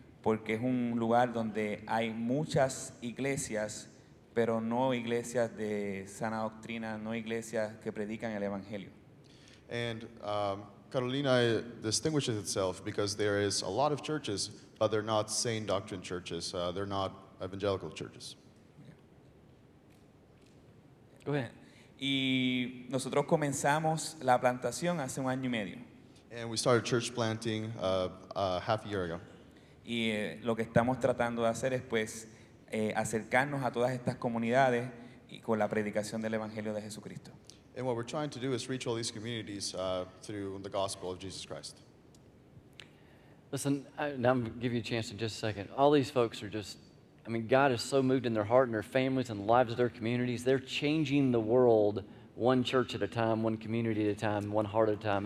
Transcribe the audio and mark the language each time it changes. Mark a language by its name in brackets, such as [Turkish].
[Spanish] porque es un lugar donde hay muchas iglesias, pero no iglesias de sana doctrina, no iglesias que predican el evangelio. [English] And Carolina distinguishes itself because there is a lot of churches, but they're not sane doctrine churches. They're not evangelical churches. Go ahead. [Spanish] Y nosotros comenzamos la plantación hace un año y medio. [English] And we started church planting half a year ago. [Spanish] Y lo que estamos tratando de hacer es pues acercarnos a todas estas comunidades y con la predicación del Evangelio de Jesucristo. [English] And what we're trying to do is reach all these communities through the gospel of Jesus Christ. Listen, now I'm going to give you a chance in just a second. All these folks are just, I mean, God is so moved in their heart and their families and the lives of their communities. They're changing the world one church at a time, one community at a time, one heart at a time.